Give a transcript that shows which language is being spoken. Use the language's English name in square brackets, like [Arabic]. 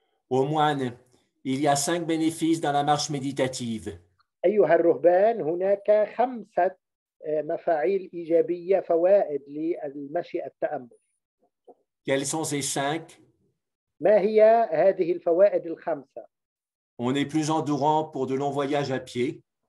[French] Au moine, il y a cinq bénéfices dans la marche méditative. [Arabic] أيها الرهبان هناك خمسة مفاعيل إيجابية فوائد للمشي التأمل. [French] Quels sont ces cinq? [Arabic] ما هي هذه الفوائد الخمسة؟ [French] On est plus endurant pour de longs voyages à pied.